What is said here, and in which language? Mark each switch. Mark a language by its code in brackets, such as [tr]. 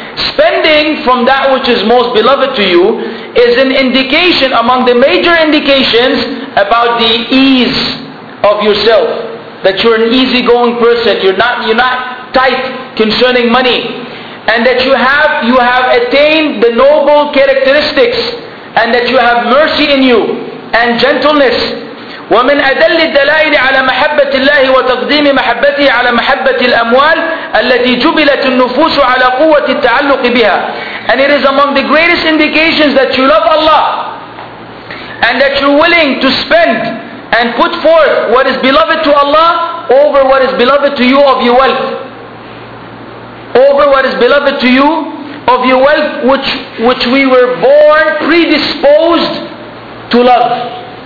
[en] Spending from that which is most beloved to you is an indication, among the major indications, about the ease of yourself. That you're an easygoing person. You're not tight concerning money. And that you have attained the noble characteristics, and that you have mercy in you and gentleness. [ar] ومن أدل الدلائل على محبة الله وتقديم محبته على محبة الأموال التي جبلت النفوس على قوة التعلق بها. [en] And it is among the greatest indications that you love Allah and that you're willing to spend and put forth what is beloved to Allah over what is beloved to you of your wealth. Over what is beloved to you of your wealth, which we were born predisposed to love.